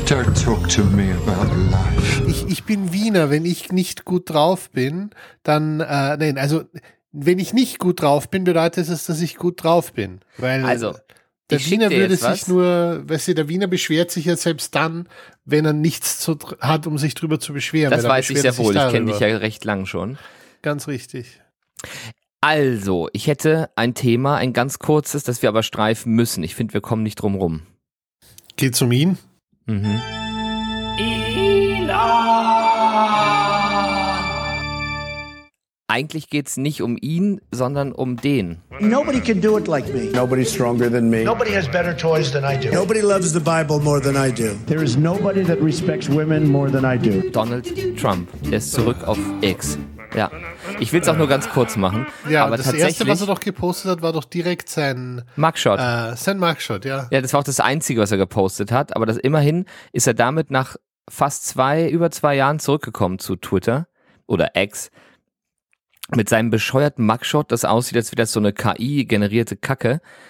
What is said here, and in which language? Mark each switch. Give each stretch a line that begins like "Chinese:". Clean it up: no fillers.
English: Don't talk to me about life.
German: Ich bin Wiener. Wenn ich nicht gut drauf bin, dann, wenn ich nicht gut drauf bin, bedeutet es, dass ich gut drauf bin. Weil also, der Wiener würde sich nur, weißt du, der Wiener beschwert sich ja selbst dann, wenn er nichts zu hat, um sich drüber zu beschweren. Das weiß ich sehr wohl. Ich kenne dich ja recht lang schon. Ganz richtig. Also, ich hätte ein Thema, ein ganz kurzes, das wir aber streifen müssen. Ich finde, wir kommen nicht drum rum. Geht's um ihn? Mhm. Ina! Eigentlich geht's nicht um ihn, sondern um den.
English: Nobody can do it like me. Nobody's stronger than me. Nobody has better toys than I do. Nobody loves the Bible more than I do. There is nobody that respects women more than I do.
German: Donald Trump. Er ist zurück auf X. Ja, ich will es auch nur ganz kurz machen. Ja, aber das Erste, was er doch gepostet hat, war doch direkt sein Mugshot. Sein Mugshot, ja. Ja, das war auch das Einzige, was er gepostet hat. Aber das immerhin ist er damit nach fast über zwei Jahren zurückgekommen zu Twitter oder X mit seinem bescheuerten Mugshot, das aussieht, als wäre das so eine KI-generierte Kacke.